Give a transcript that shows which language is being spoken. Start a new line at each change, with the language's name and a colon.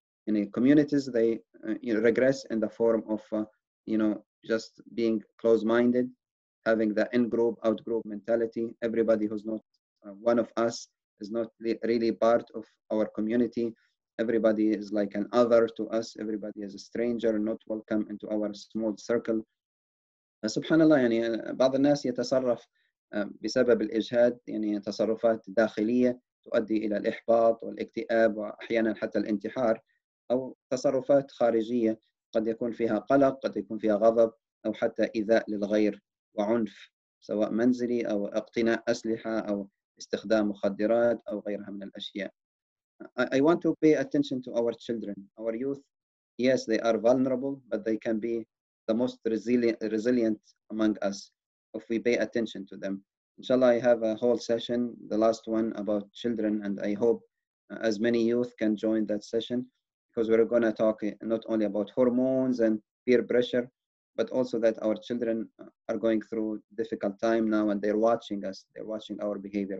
English: In communities, they regress in the form of, just being closed-minded, having the in-group, out-group mentality. Everybody who's not one of us is not really part of our community. Everybody is like an other to us. Everybody is a stranger, not welcome into our small circle.
Arabic: SubhanAllah, يعني بعض الناس يتصرف بسبب الإجهاد, يعني تصرفات داخلية تؤدي إلى الإحباط والاكتئاب وأحيانا حتى الانتحار, أو تصرفات خارجية قد يكون فيها قلق, قد يكون فيها غضب, أو حتى إيذاء للغير وعنف, سواء منزلي أو اقتناء أسلحة أو استخدام مخدرات أو غيرها من الأشياء.
English: I want to pay attention to our children, our youth. Yes, they are vulnerable, but they can be the most resilient among us if we pay attention to them. Inshallah, I have a whole session, the last one, about children, and I hope as many youth can join that session, because we're going to talk not only about hormones and peer pressure, but also that our children are going through difficult time now, and they're watching us, they're watching our behavior.